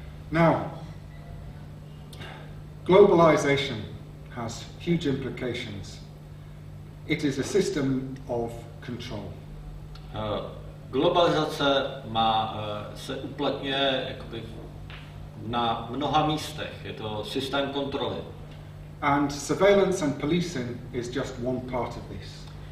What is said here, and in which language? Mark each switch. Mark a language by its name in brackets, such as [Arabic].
[English] Now, globalization has huge implications. It is a system of control. [Czech] Globalizace má se uplatňuje jakoby na mnoha místech. Je to systém kontroly. [English] And surveillance and policing is just one part of this.